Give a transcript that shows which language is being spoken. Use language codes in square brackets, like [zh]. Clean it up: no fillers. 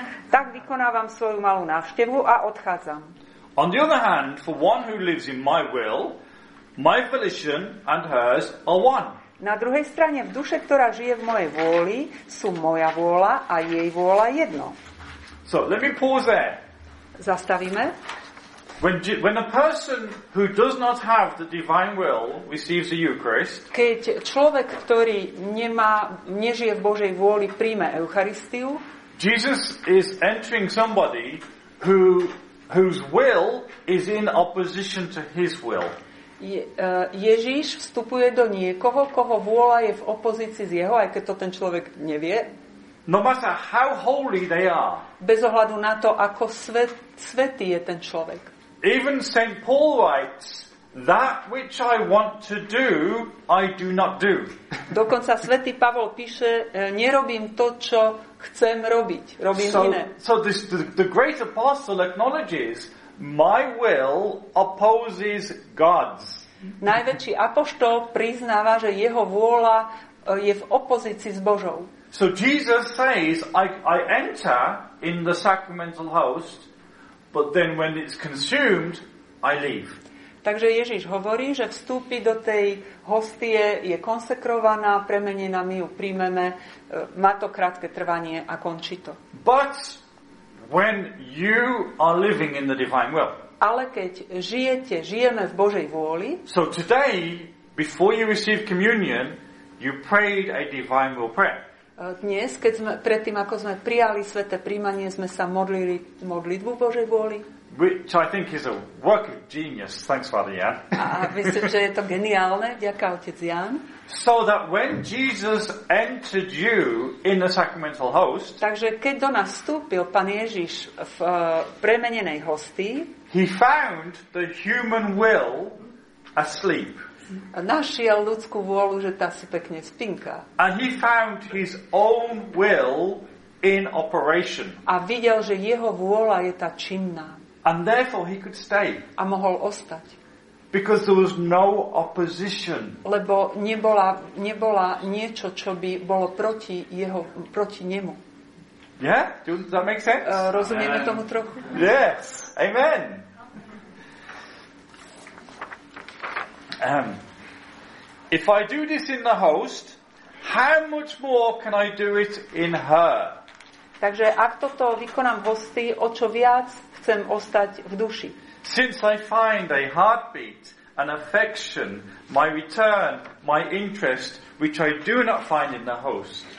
[sk] Tak vykonávam svoju malú návštevu a odchádzam. [en] On the other hand, for one who lives in my will, my volition and hers are one. [sk] Na druhej strane, v duše, ktorá žije v mojej vôli, sú moja vôľa a jej vôľa jedno. [en] So, let me pause there. [sk] Zastavíme. [en] When a person who does not have the divine will receives the Eucharist, [sk] keď človek, ktorý nežije v Božej vôli, príjme Eucharistiu, [en] Jesus is entering somebody whose will is in opposition to his will. [sk] Ježiš vstupuje do niekoho, koho vôľa je v opozícii s jeho, aj keď to ten človek nevie. [en] No matter how holy they are. [sk] Bez ohľadu na to, ako svätý je ten človek. [en] Even St. Paul writes, that which I want to do, I do not do. [sk] Dokonca svätý Pavol píše, nerobím to, čo chcem robiť. Robím [en] so, [sk] iné. [en] So this, the great apostle acknowledges, my will opposes God's. [sk] Najväčší apoštol priznáva, že jeho vôľa je v opozícii s Božou. [en] So Jesus says, I enter in the sacramental host, but then when it's consumed, I leave. [sk] Takže Ježiš hovorí, že vstúpi do tej hostie, je konsekrovaná, premenená, my ju príjmeme, má to krátke trvanie a končí to. [en] But when you are living in the divine will. [sk] Ale keď žijeme v Božej vôli. [en] So today, before you receive communion, you prayed a divine will prayer. [sk] Dnes, keď sme predtým, ako sme prijali sväté príjmanie, sme sa modlili modlitbu Božej vôli. [en] Which I think is a work of genius. Thanks, Father Jan. [sk] A myslím, že je to geniálne. Ďaká, Otec Jan. [en] So that when Jesus entered you in the sacramental host, [sk] takže keď do nás vstúpil Pán Ježiš v premenenej hostii, [en] he found the human will asleep. [sk] Našiel ľudskú vôľu, že tá si pekne spinka. [en] And he found his own will in operation. [sk] A videl, že jeho vôľa je tá činná. [en] And therefore he could stay. [sk] A mohol ostať. [en] Because there was no opposition. [sk] Lebo nebola niečo, čo by bolo proti nemu. [en] Yeah? Does that make sense? [sk] Rozumieme tomu trochu? [en] Yes. Amen. If I do this in the host, how much more can I do it in her? [sk] Takže ak toto vykonám v hosti, o čo viac chcem ostať v duši. [en] Since I find a heartbeat, an affection, my return, my interest, which I do not find in the host.